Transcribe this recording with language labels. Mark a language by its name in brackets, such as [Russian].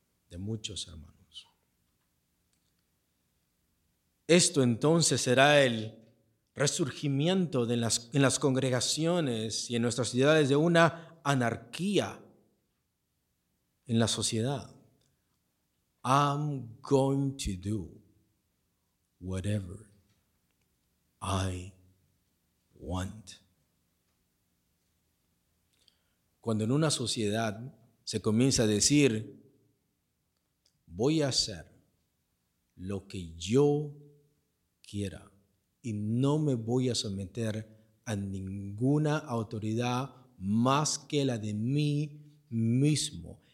[Spanish] De muchos, hermanos. Esto entonces será el resurgimiento de en las congregaciones y en nuestras ciudades de una anarquía en la sociedad. [English] I'm going to do whatever I want. [Spanish] Cuando en una sociedad se comienza a decir, voy a hacer lo que yo quiera y no me voy a someter a ninguna autoridad más que la de mí mismo.